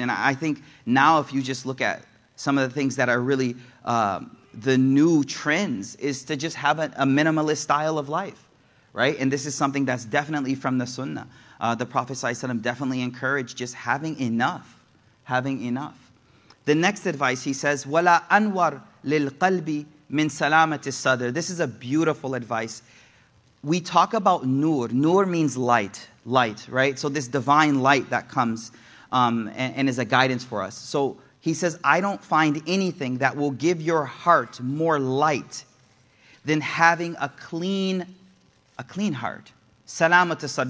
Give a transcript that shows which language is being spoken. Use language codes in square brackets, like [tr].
[en] And I think now if you just look at some of the things that are really the new trends is to just have a minimalist style of life, right? And this is something that's definitely from the sunnah. The Prophet ﷺ definitely encouraged just having enough, having enough. The next advice, he says, [ar] وَلَا أَنْوَرْ لِلْقَلْبِ مِنْ سَلَامَةِ الصَّدْرِ. [en] This is a beautiful advice. We talk about nur. Nur means light, light, right? So this divine light that comes and is a guidance for us. So he says, I don't find anything that will give your heart more light than having a clean heart. Salamat al-sadr.